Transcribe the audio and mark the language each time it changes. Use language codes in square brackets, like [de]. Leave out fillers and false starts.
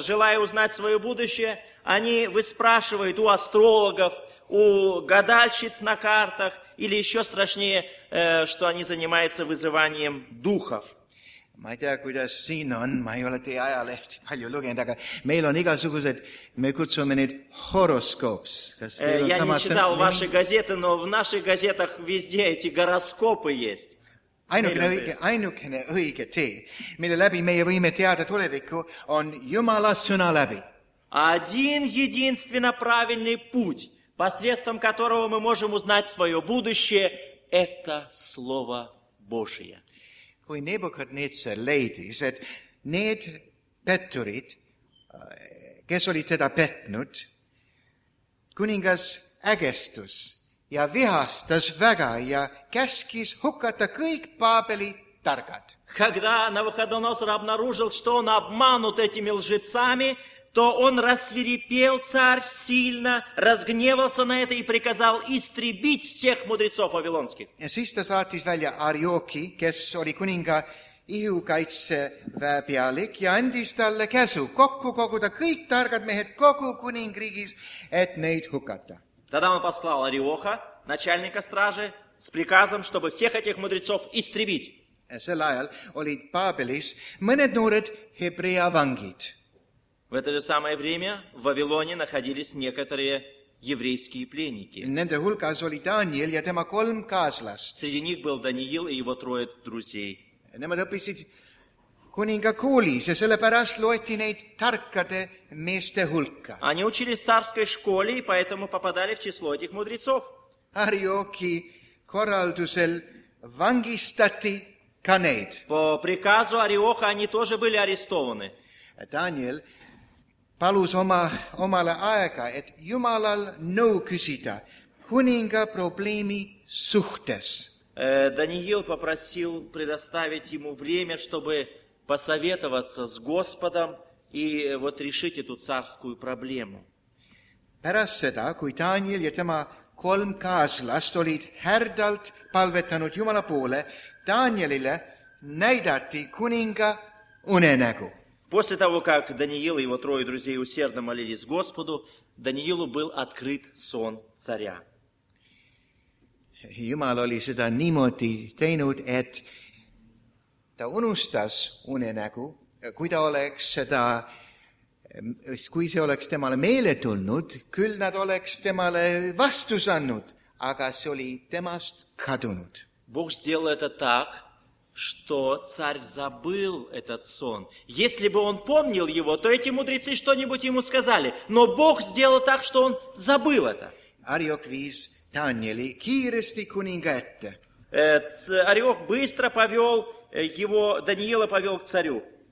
[ru] Желая узнать свое будущее, они выспрашивают у астрологов, у гадальщиц на картах, или еще страшнее, что они занимаются вызыванием духов. [et] Ma ei tea, kuidas siin on, ma ei ole teie ajalehti palju lugenud, aga meil on igasugused, me kutsume neid horoskoops. [ru] Я не читал ваши газеты, но в наших газетах везде эти гороскопы есть. [et] Ainukene õige tee, mille läbi meie võime teada tuleviku, on Jumala sõna läbi. [ru] Один единственно правильный путь, посредством которого мы можем узнать свое будущее, это Слово Божие. [et] Kui Nebukadnetsar leidis, et need petturid, kes olid teda petnud, kuningas ägestus ja vihastas väga ja käskis hukata kõik Paabeli targad. [ru] Когда Навуходоносор обнаружил, что он обманут этими лжецами, то он рассвирепел царь сильно, разгневался на это и приказал истребить всех мудрецов вавилонских. [et] Ja siis ta saatis välja Arioki, kes oli kuninga ihukaitse väepealik, ja andis talle käsu kokku koguda kõik targad mehed kogu kuningriigis, et neid hukata. [ru] Тогда он послал Ариоха, начальника стражи, с приказом, чтобы всех этих мудрецов истребить. [et] Ja sel ajal olid Paabelis mõned noored hebrea vangid. [ru] В это же самое время в Вавилоне находились некоторые еврейские пленники. [et] Nende hulkas oli Daniel ja tema kolm kaaslast. [ru] Среди них был Даниил и его трое друзей. [et] Nemad õppisid kuninga koolis ja sellepärast loeti neid tarkade meeste hulka. [ru] Они учились в царской школе и поэтому попадали в число этих мудрецов. [et] Arioki korraldusel vangistati ka neid. [ru] По приказу Ариоха они тоже были арестованы. [et] Daniel palus omale aega, et Jumalal nõu küsida kuninga probleemi suhtes. [ru] Даниил попросил предоставить ему время, чтобы посоветоваться с Господом и вот решить эту царскую проблему. [et] Pärast seda, kui Daniel ja tema kolm kaaslast olid härdalt palvetanud Jumala poole, Danielile näidati kuninga unenägu. [ru] После того, как Даниил и его трое друзей усердно молились Господу, Даниилу был открыт сон царя. [et] Jumal oli seda niimoodi teinud, et ta unustas unenägu, kui ta oleks seda, kui see oleks temale meele tulnud, küll nad oleks temale vastus annud, aga see oli temast kadunud. [ru] Бог сделал это так, что царь забыл этот сон. Если бы он помнил его, то эти мудрецы что-нибудь ему сказали. Но Бог сделал так, что он забыл это. [et] Ариок виз Таниели киирести кунинга этте. [ru] Ариок быстро повел его, Даниила повел к царю.